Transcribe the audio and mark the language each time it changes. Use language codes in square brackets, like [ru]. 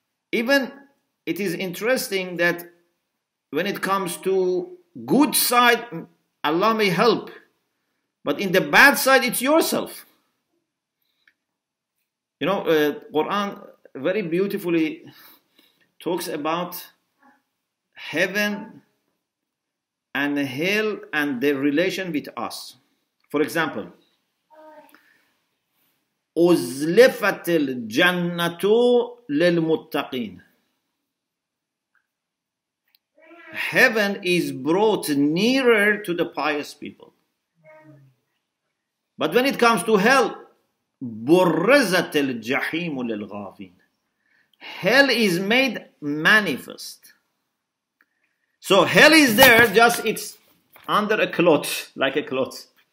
[en] Even it is interesting that when it comes to good side, Allah may help, but in the bad side, it's yourself. You know, Quran very beautifully talks about heaven and hell and their relation with us. For example, [ar] أزلفت الجنة للمتقين. [en] Heaven is brought nearer to the pious people. But when it comes to hell, [ar] برزت الجحيم للغافين. [en] Hell is made manifest. So hell is there, just it's under a cloth, like a cloth.